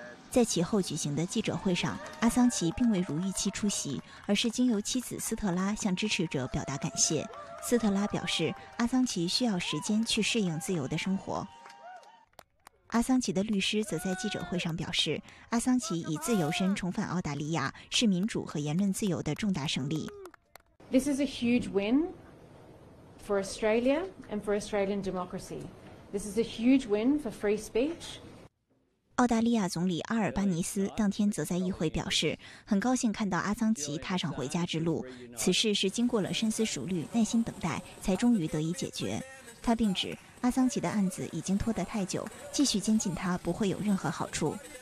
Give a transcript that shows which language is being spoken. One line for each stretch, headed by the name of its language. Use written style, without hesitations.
Chinese: 在其后举行的记者会上，阿桑奇并未如预期出席，而是经由妻子斯特拉向支持者表达感谢。斯特拉表示，阿桑奇需要时间去适应自由的生活。阿桑奇的律师则在记者会上表示，阿桑奇以自由身重返澳大利亚是民主和言论自由的重大胜利。
English: This is a huge win for Australia and for Australian democracy. This is a huge win for free speech.
Chinese: 澳大利亚总理阿尔巴尼斯当天则在议会表示，很高兴看到阿桑奇踏上回家之路，此事是经过了深思熟虑、耐心等待才终于得以解决。他并指阿桑奇的案子已经拖得太久，继续监禁他不会有任何好处。